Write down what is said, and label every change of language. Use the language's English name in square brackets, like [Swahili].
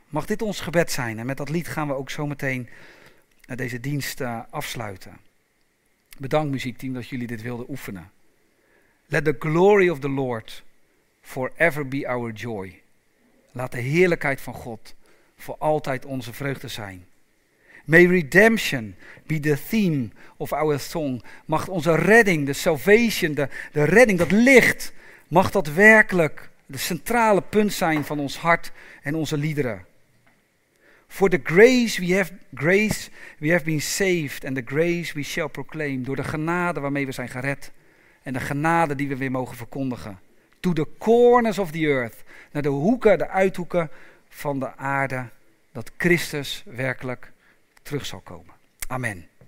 [Dutch] Mag dit ons gebed zijn? En met dat lied gaan we ook zometeen naar deze dienst afsluiten. Bedankt muziekteam dat jullie dit wilden oefenen. [English] Let the glory of the Lord forever be our joy. [Dutch] Laat de heerlijkheid van God voor altijd onze vreugde zijn. [English] May redemption be the theme of our song. [Dutch] Mag onze redding, de salvation, de redding, dat licht, mag dat werkelijk de centrale punt zijn van ons hart en onze liederen. [English] For the grace we have been saved and the grace we shall proclaim. [Dutch] Door de genade waarmee we zijn gered en de genade die we weer mogen verkondigen. [English] To the corners of the earth, [Dutch] naar de hoeken, de uithoeken van de aarde, dat Christus werkelijk terug zal komen. Amen.